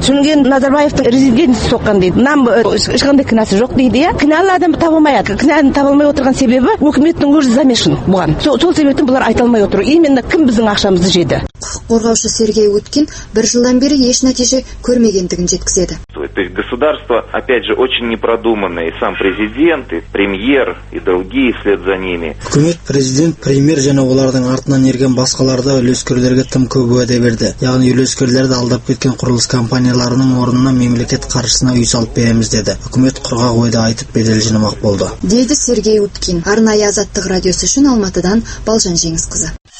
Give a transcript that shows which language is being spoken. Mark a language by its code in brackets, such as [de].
[kk] Сонымен Назарбаевтың резиденциясы соққан дейді. Нам ешқандай кінәсі жоқ дейді. Кінәлі адам табылмай. Кінәні табылмай отырған себебі үкіметтің өзі замешін бұған. Сол себептен бұлар айта алмай отыр. Именно кім біздің ақшамызды жеді? Қорғаушы Сергей Уткин бір жылдан бері еш нәтиже көрмегендігін жеткізеді. [ru] То есть государство, опять же, очень непродуманное. Сам президент, и премьер, и другие вслед за ними. [kk] Үкімет, президент, премьер және олардың артынан ерген басқаларды үлескерлерге тым көп уәде берді. Яғни үлескерлерді алдап кеткен құрылыс компанияларының орнына мемлекет қаржысына үй салып береміз деді. Үкімет құрғақ ойды айтып бедел жинамақ болды. Дейді Сергей Уткин. Арнайы Азаттық радиосы үшін Алматыдан Балжан Жеңісқызы.